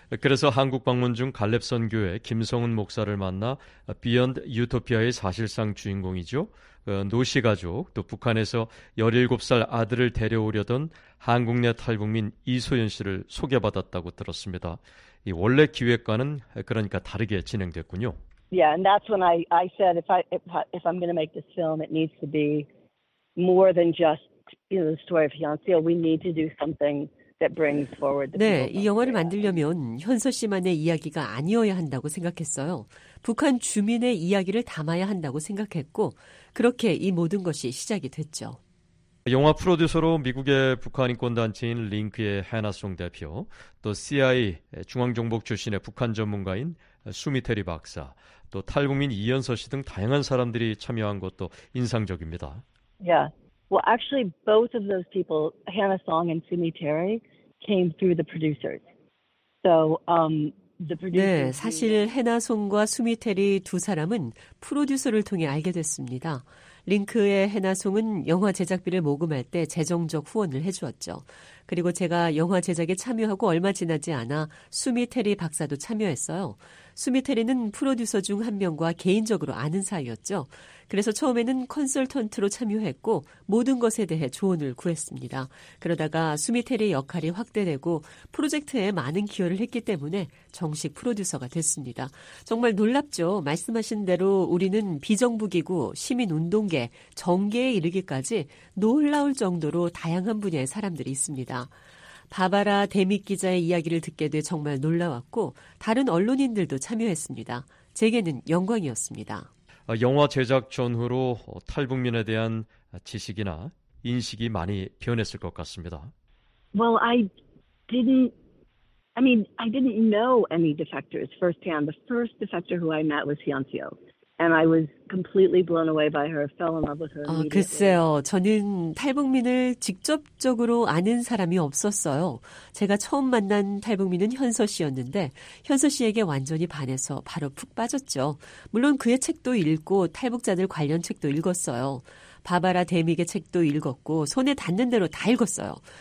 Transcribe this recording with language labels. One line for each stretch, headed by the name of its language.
Korean: 그래서 한국 방문 중 갈렙선교회 김성은 목사를 만나 비욘드 유토피아의 사실상 주인공이죠. 노씨 가족, 또 북한에서 17살 아들을 데려오려던 한국 내 탈북민 이소연 씨를 소개받았다고 들었습니다. 이 원래 기획과는 그러니까 다르게 진행됐군요.
English: Yeah, and that's when I said if I'm going to make this film, it needs to be more than just, you know, the story of fiance. We need to do something that brings forward the
Korean: 네, 이 영화를 만들려면 현서 씨만의 이야기가 아니어야 한다고 생각했어요. 북한 주민의 이야기를 담아야 한다고 생각했고 그렇게 이 모든 것이 시작이 됐죠. 영화 프로듀서로 미국의 북한인권단체인 링크의 해나송 대표, 또 CIA 중앙정보국 출신의 북한 전문가인 수미테리 박사, 또 탈북민 이현서 씨 등 다양한 사람들이 참여한 것도 인상적입니다.
English: Yeah. Well, actually both of those people, Hannah Song and Sumiteri, came through the producers. So, the producers.
Korean: 네, 사실 해나송과 수미테리 두 사람은 프로듀서를 통해 알게 됐습니다. 링크의 해나송은 영화 제작비를 모금할 때 재정적 후원을 해주었죠. 그리고 제가 영화 제작에 참여하고 얼마 지나지 않아 수미테리 박사도 참여했어요. 수미테리는 프로듀서 중 한 명과 개인적으로 아는 사이였죠. 그래서 처음에는 컨설턴트로 참여했고 모든 것에 대해 조언을 구했습니다. 그러다가 수미테리의 역할이 확대되고 프로젝트에 많은 기여를 했기 때문에 정식 프로듀서가 됐습니다. 정말 놀랍죠. 말씀하신 대로 우리는 비정부기구, 시민운동계, 정계에 이르기까지 놀라울 정도로 다양한 분야의 사람들이 있습니다. 바바라 데믹 기자의 이야기를 듣게 돼 정말 놀라웠고 다른 언론인들도 참여했습니다. 제게는 영광이었습니다. 영화 제작 전후로 탈북민에 대한 지식이나 인식이 많이 변했을 것 같습니다.
English: Well, I didn't I mean, I didn't know any defectors firsthand. The first defector who I met was Hyun-seo. And I was completely blown away by her, fell in love with her.
Korean: 글쎄요. 저는 탈북민을 직접적으로 아는 사람이 없었어요. 제가 처음 만난 탈북민은 현서 씨였는데 현서 씨에게 완전히 반해서 바로 푹 빠졌죠. 물론 그의 책도 읽고 탈북자들 관련 책도 읽었어요. 바바라 데믹의 책도 읽었고 손에 닿는 대로 다 읽었어요.